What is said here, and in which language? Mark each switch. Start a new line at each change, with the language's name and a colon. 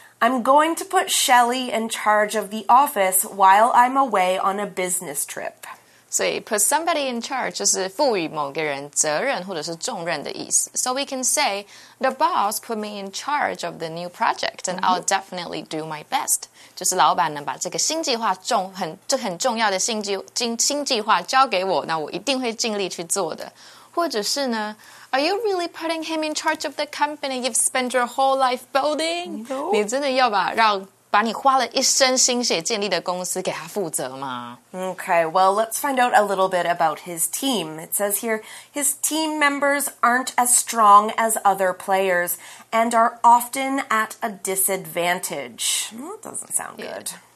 English: I'm going to put Shelly in charge of the office while I'm away on a business trip.
Chinese: 所以 put somebody in charge 就是赋予某个人责任或者是重任的意思。
English: So we can say, the boss put me in charge of the new project and I'll definitely do my best.
Chinese: 就是老板能把这个新计划很重要的新计划交给我，那我一定会尽力去做的。或者是呢，
English: Are you really putting him in charge of the company you've spent your whole life building? No.
Chinese: 你真的要把你花了一生心血建立的公司给他负责吗？
English: Okay, well, let's find out a little bit about his team. It says here, his team members aren't as strong as other players and are often at a disadvantage. Doesn't sound good. Yeah.